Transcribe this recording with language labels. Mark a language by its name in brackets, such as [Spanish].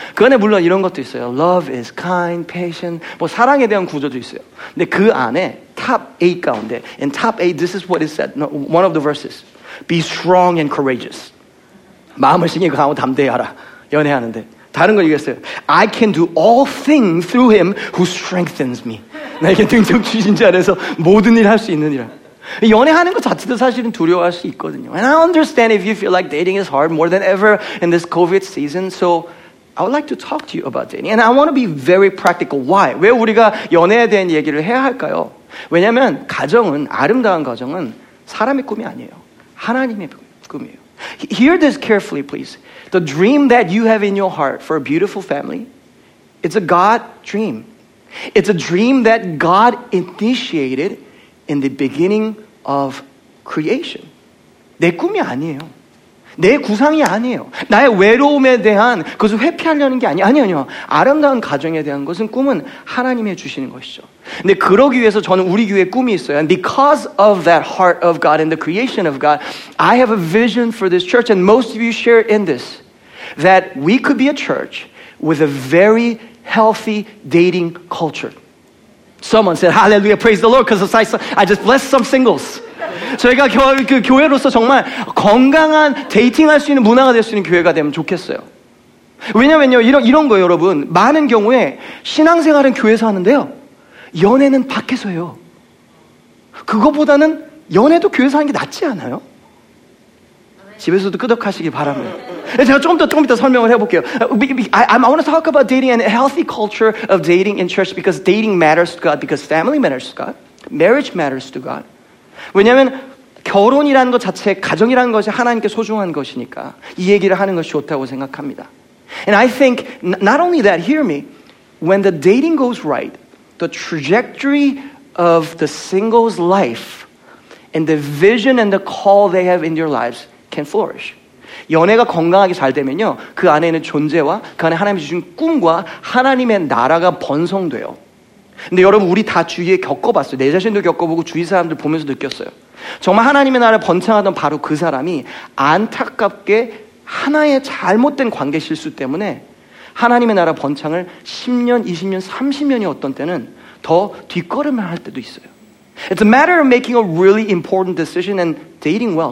[Korean] 그 안에 물론 이런 것도 있어요. [English] Love is kind, patient. [Korean] 뭐 사랑에 대한 구절도 있어요. 근데 그 안에 top 8 가운데 [English] in top 8 this is what it said. One of the verses. Be strong and courageous. [Korean] 마음을 신경 강하고 담대하라. 연애하는데 다른 걸 얘기했어요. [English] I can do all things through him who strengthens me. [Korean] 나에게 능력 주신 자 안에서 모든 일 할 수 있는 이라. 연애하는 것 자체도 사실은 두려워할 수 있거든요. [English] And I understand if you feel like dating is hard more than ever in this COVID season. So I would like to talk to you about dating. And I want to be very practical. Why? [Korean] 왜 우리가 연애에 대한 얘기를 해야 할까요? 왜냐하면 가정은, 아름다운 가정은 사람의 꿈이 아니에요. 하나님의 꿈이에요. [English] Hear this carefully, please. The dream that you have in your heart for a beautiful family, it's a God dream. It's a dream that God initiated in the beginning of creation. [Korean] 내 꿈이 아니에요. 내 구상이 아니에요. 나의 외로움에 대한 그것을 회피하려는 게 아니에요. 아니요, 아니요. 아름다운 가정에 대한 것은 꿈은 하나님이 주시는 것이죠. 근데 그러기 위해서 저는 우리 교회에 꿈이 있어요. [English] And because of that heart of God and the creation of God, I have a vision for this church, and most of you share in this, that we could be a church with a very healthy dating culture. Someone said, hallelujah, praise the Lord, because I just blessed some singles. [Korean] 저희가 교회로서 정말 건강한 데이팅할 수 있는 문화가 될 수 있는 교회가 되면 좋겠어요. 왜냐면요, 이런 거예요, 여러분. 많은 경우에 신앙생활은 교회에서 하는데요, 연애는 밖에서 해요. 그거보다는 연애도 교회에서 하는 게 낫지 않아요? 집에서도 끄덕하시길 바랍니다. 제가 조금 더 설명을 해볼게요. [English] I want to talk about dating and a healthy culture of dating in church because dating matters to God, because family matters to God, marriage matters to God. [Korean] 왜냐하면 결혼이라는 것 자체, 가정이라는 것이 하나님께 소중한 것이니까 이 얘기를 하는 것이 좋다고 생각합니다. [English] And I think, not only that, hear me, when the dating goes right, the trajectory of the single's life and the vision and the call they have in their lives can flourish. [Korean] 연애가 건강하게 잘 되면요, 그 안에 있는 존재와 그 안에 하나님이 주신 꿈과 하나님의 나라가 번성돼요. 근데 여러분, 우리 다 주위에 겪어봤어요. 내 자신도 겪어보고 주위 사람들 보면서 느꼈어요. 정말 하나님의 나라 번창하던 바로 그 사람이 안타깝게 하나의 잘못된 관계 실수 때문에 하나님의 나라 번창을 10년, 20년, 30년이 어떤 때는 더 뒷걸음을 할 때도 있어요. [English] It's a matter of making a really important decision and dating well.